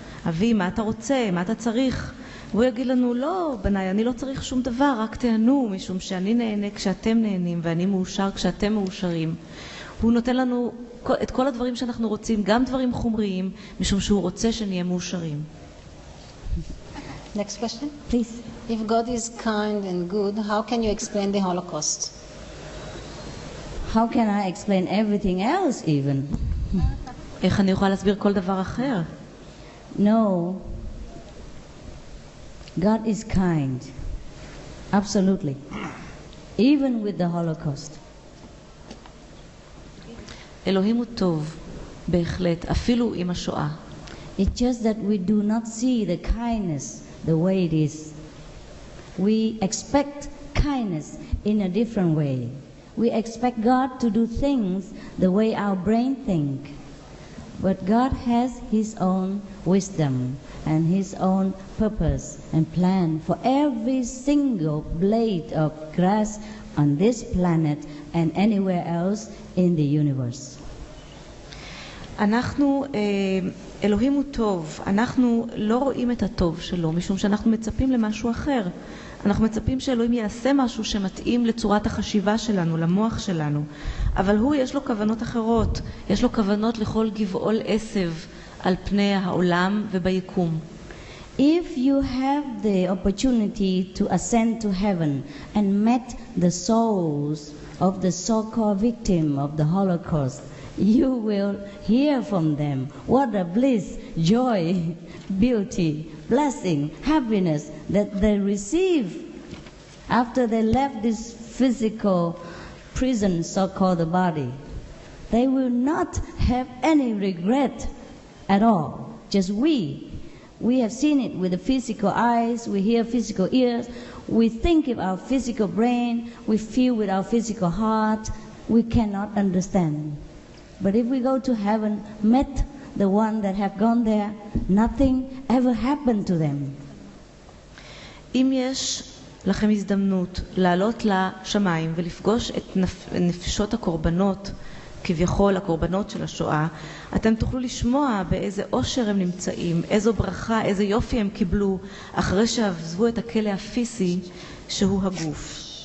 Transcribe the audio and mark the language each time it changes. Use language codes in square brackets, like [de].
[he] אבי, מה אתה רוצה? מה אתה צריך? והוא יגיד לנו, לא, בני, אני לא צריך שום דבר, רק תענו, משום שאני נהנה כשאתם נהנים, ואני מאושר כשאתם מאושרים. הוא נותן לנו את כל הדברים שאנחנו רוצים, גם דברים חומריים, משום שהוא רוצה שנהיה מאושרים. [en] Next question. Please. If God is kind and good, how can you explain the Holocaust? How can I explain everything else even? [he] איך אני יכולה להסביר כל דבר אחר? [en] No. God is kind. Absolutely. Even with the Holocaust. [he] אלוהים הוא טוב, בהחלט, אפילו עם השואה. [en] It's just that we do not see the kindness the way it is. We expect kindness in a different way. We expect God to do things the way our brain think. But God has his own wisdom and his own purpose and plan for every single blade of grass on this planet and anywhere else in the universe. [he] אנחנו, אלוהים הוא טוב, אנחנו לא רואים את הטוב שלו, משום שאנחנו מצפים למשהו אחר. אנחנו מצפים שאלוהים יעשה משהו שמתאים לצורת החשיבה שלנו, למוח שלנו. אבל הוא, יש לו כוונות אחרות, יש לו כוונות לכל גבעול עשב על פני העולם וביקום. [en] If you have the opportunity to ascend to heaven and met the souls of the so-called victim of the Holocaust, you will hear from them what a bliss, joy, beauty, blessing, happiness that they receive after they left this physical prison so-called the body. They will not have any regret at all. Just we have seen it with the physical eyes, we hear physical ears, we think with our physical brain, we feel with our physical heart, we cannot understand. But if we go to heaven, met the one that have gone there, nothing ever happened to them. [he] אם יש לכם הזדמנות לעלות לשמיים ולפגוש את נפשות הקורבנות, כביכול הקורבנות של השואה, אתם תוכלו לשמוע באיזה אושר הם נמצאים, איזו ברכה, איזה יופי הם קיבלו אחרי שעזבו את הכלא הפיזי שהוא הגוף.